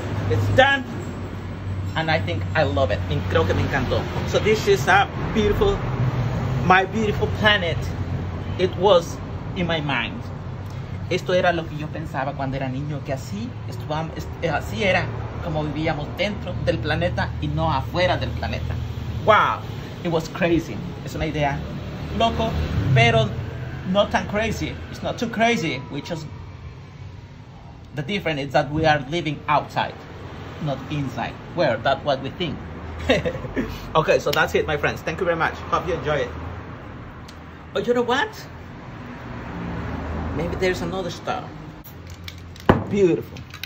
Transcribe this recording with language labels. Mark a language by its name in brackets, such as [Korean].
[English] It's done, and I think I love it. [Spanish] Creo que me encantó. [English] So this is a beautiful, my beautiful planet. It was in my mind. [Spanish] Esto era lo que yo pensaba cuando era niño, que así así era como vivíamos dentro del planeta y no afuera del planeta. [English] Wow, it was crazy. [Spanish] Es una idea loco, pero no tan crazy. [English] It's not too crazy. We just, the difference is that we are living outside. Not inside. Well, that's what we think. Okay, so that's it, my friends. Thank you very much. Hope you enjoy it. But you know what? Maybe there's another star. Beautiful.